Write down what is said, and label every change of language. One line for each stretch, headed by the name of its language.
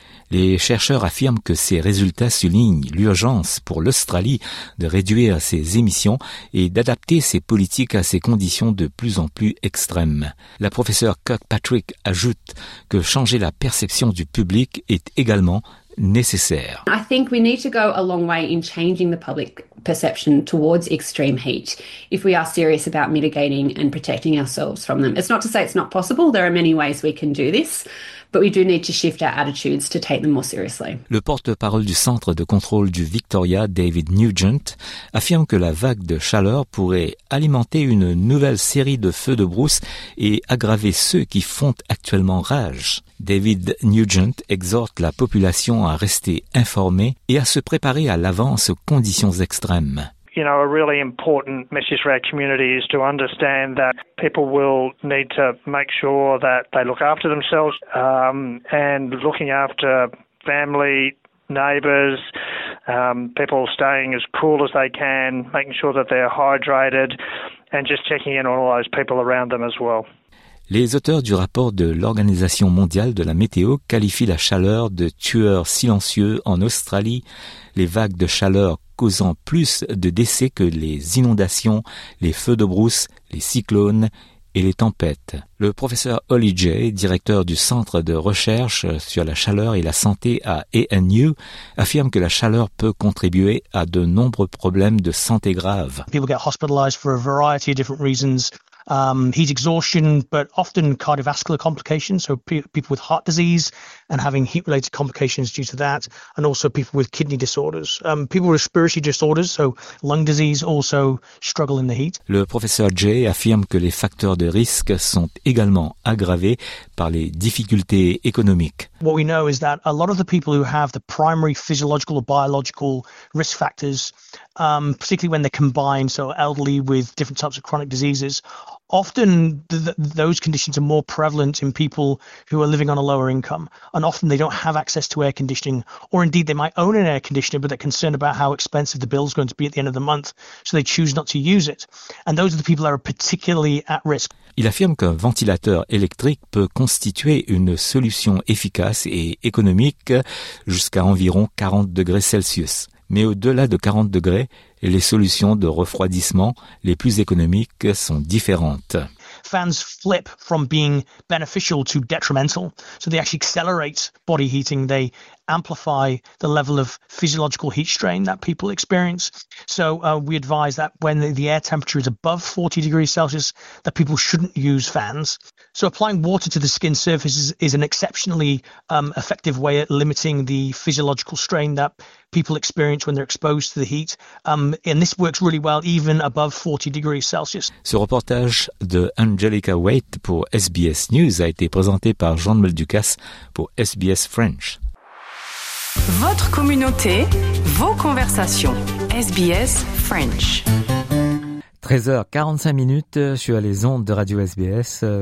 French: Les chercheurs affirment que ces résultats soulignent l'urgence pour l'Australie de réduire ses émissions et d'adapter ses politiques à ces conditions de plus en plus extrêmes. La professeure Kirkpatrick ajoute que changer la perception du public est également nécessaire.
English: I think we need to go a long way in changing the public perception towards extreme heat if we are serious about mitigating and protecting ourselves from them. It's not to say it's not possible, there are many ways we can do this. But we do need to shift our attitudes to take them more seriously.
French: Le porte-parole du Centre de contrôle du Victoria, David Nugent, affirme que la vague de chaleur pourrait alimenter une nouvelle série de feux de brousse et aggraver ceux qui font actuellement rage. David Nugent exhorte la population à rester informée et à se préparer à l'avance aux conditions extrêmes.
English: You know, a really important message for our community is to understand that people will need to make sure that they look after themselves, and looking after family, neighbours, people staying as cool as they can, making sure that they're hydrated, and just checking in on all those people around them as well.
French: Les auteurs du rapport de l'Organisation mondiale de la météo qualifient la chaleur de tueur silencieux en Australie. Les vagues de chaleur causant plus de décès que les inondations, les feux de brousse, les cyclones et les tempêtes. Le professeur Holly Jay, directeur du Centre de recherche sur la chaleur et la santé à ANU, affirme que la chaleur peut contribuer à de nombreux problèmes de santé graves.
English: People get hospitalized for a variety of different reasons. Heat exhaustion, but often cardiovascular complications, so people with heart disease and having heat-related complications due to that, and also people with kidney disorders. People with respiratory disorders, so lung disease, also struggle in the heat.
French: Le professeur Jay affirme que les facteurs de risque sont également aggravés par les difficultés économiques.
English: What we know is that a lot of the people who have the primary physiological or biological risk factors, particularly when they're combined, so elderly with different types of chronic diseases, often those conditions are more prevalent in people who are living on a lower income, and often they don't have access to air conditioning, or indeed they might own an air conditioner, but they're concerned about how expensive the bill is going to be at the end of the month, so they choose not to use it. And those are the people that are particularly at risk.
French: Il affirme qu'un ventilateur électrique peut constituer une solution efficace et économique jusqu'à environ 40 degrés Celsius. Mais au-delà de 40 degrés, les solutions de refroidissement les plus économiques sont différentes.
English: Fans flip from being beneficial to detrimental, so they actually accelerate body heating. They amplify the level of physiological heat strain that people experience. So we advise that when the air temperature is above 40 degrees Celsius, that people shouldn't use fans. So applying water to the skin surface is an exceptionally effective way at limiting the physiological strain that people experience when they're exposed to the heat. And this works really well even above 40 degrees Celsius.
French: Ce reportage de Angelica Waite pour SBS News a été présenté par Jean Meldukas pour SBS French. Votre communauté, vos conversations. SBS French. 13h45 minutes sur les ondes de Radio SBS.